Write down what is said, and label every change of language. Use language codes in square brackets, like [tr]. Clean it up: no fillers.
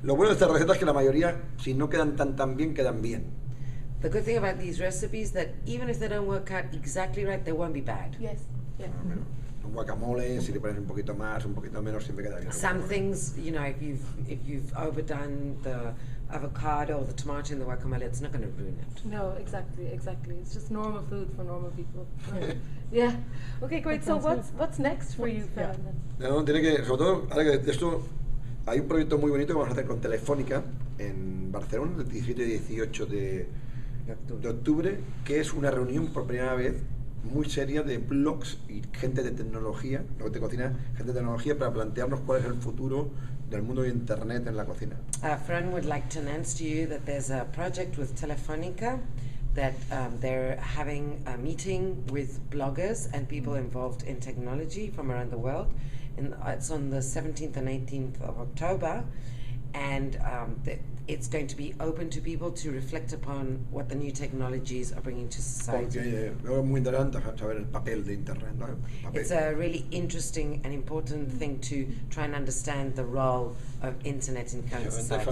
[es] Lo bueno de estas recetas es que la mayoría, si no quedan tan tan bien, quedan bien. [en] The good thing about these recipes is that even if they don't work out exactly right, they won't be bad. Yes. Yeah. [es] Un guacamole, si le pones un poquito más, un poquito menos, siempre queda bien. [en] Some things, you know, if you've overdone the avocado or the tomato in the guacamole, it's not going to ruin it. No, exactly, exactly. It's just normal food for normal people. Yeah. Okay, great. So what's next for you, Fernando? [es] Yeah. No, tiene que, sobre todo, ahora que esto, hay un proyecto muy bonito que vamos a hacer con Telefónica en Barcelona, el 17 y 18 de octubre, que es una reunión por primera vez muy seria de blogs y gente de tecnología, lo que te cocina, gente de tecnología, para plantearnos cuál es el futuro del mundo de internet en la cocina. [en] A friend would like to announce to you that there's a project with Telefónica that they're having a meeting with bloggers and people involved in technology from around the world. It's on the 17th and 18th of October, and it's going to be open to people to reflect upon what the new technologies are bringing to society. [es] Porque es muy interesante saber el papel de internet, ¿no? [en] It's a really interesting and important thing to try and understand the role of internet in current society.